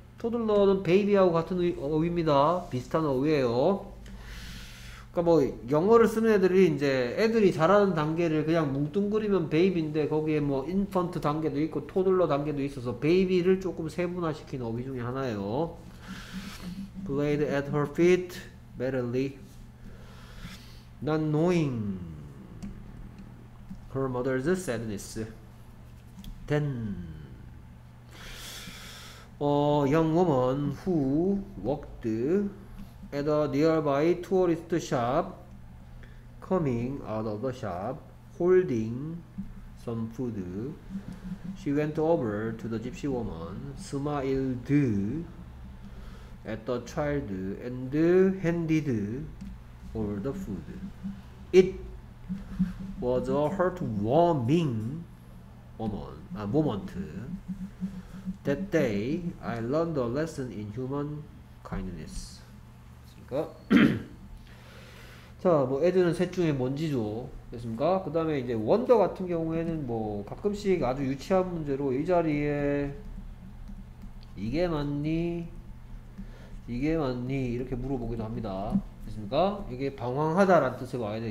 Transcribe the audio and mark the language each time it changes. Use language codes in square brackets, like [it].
[ko] toddler는 베이비하고 같은 어휘입니다. 비슷한 어휘예요. 그러니까 뭐 영어를 쓰는 애들이 이제 애들이 자라는 단계를 그냥 뭉뚱그리면 베이비인데 거기에 뭐 인펀트 단계도 있고 토들러 단계도 있어서 베이비를 조금 세분화시킨 어휘 중에 하나예요. [en] Played at her feet merrily, not knowing her mother's sadness. Then, a young woman who walked at a nearby tourist shop, coming out of the shop, holding some food, she went over to the gypsy woman, smiled at the child, and handed her the food. It was a heartwarming moment. That day, I learned a lesson in human kindness. [ko] 자, 뭐 애들은 셋 중에 뭔지죠. 됐습니까? 그 다음에 이제 원더 같은 경우에는 뭐 가끔씩 아주 유치한 문제로 이 자리에 이게 맞니? 이게 맞니? 이렇게 물어보기도 합니다. 됐습니까? 이게 방황하다라는 뜻을 봐야 돼.